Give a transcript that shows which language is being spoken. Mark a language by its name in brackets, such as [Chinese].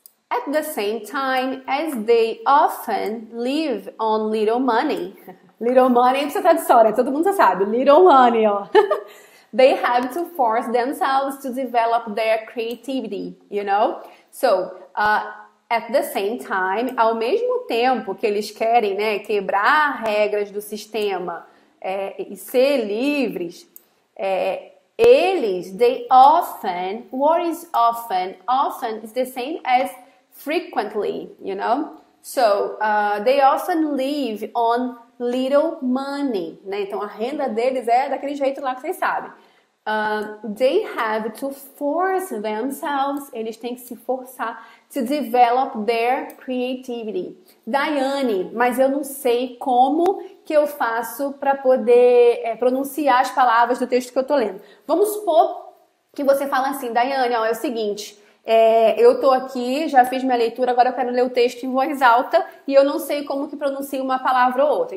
[English] At the same time as they often live on little money. Little money, [Portuguese] isso é história, todo mundo sabe. [English] Little money, ó. They have to force themselves to develop their creativity, you know? At the same time, [Portuguese] ao mesmo tempo que eles querem, né, quebrar regras do sistema, e ser livres, [English] they often, what is often? Often is the same as frequently, you know? They often live on little money, né? [Portuguese] Então a renda deles é daquele jeito lá que vocês sabem. [English] They have to force themselves, [Portuguese] eles têm que se forçar [English] to develop their creativity. [Portuguese] Daiane, mas eu não sei como que eu faço para poder pronunciar as palavras do texto que eu estou lendo. Vamos supor que você fala assim, Daiane, ó, é o seguinte, eu estou aqui, já fiz minha leitura, agora eu quero ler o texto em voz alta e eu não sei como que pronuncio uma palavra ou outra.